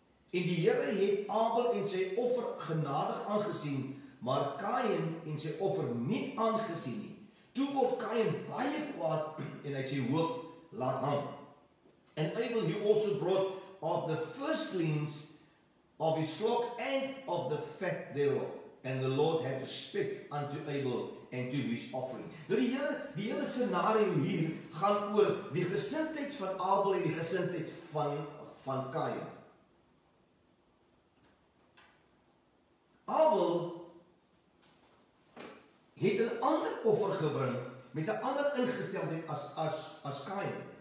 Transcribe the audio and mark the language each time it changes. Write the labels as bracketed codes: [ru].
[af] En die Here het Abel en sy offer genadig aangesien, maar Kain en sy offer nie aangesien nie. Toe word Kain baie kwaad en hy sy hoof laat hang. [en] And Abel he also brought of the firstlings of his flock and of the fat thereof. And the Lord had respect unto Abel and to his offering. [af] Nou die hele scenario hier gaan oor die gesindheid van Abel en die gesindheid van Kain. Abel het 'n ander offer gebring met 'n ander ingesteldheid as Kain.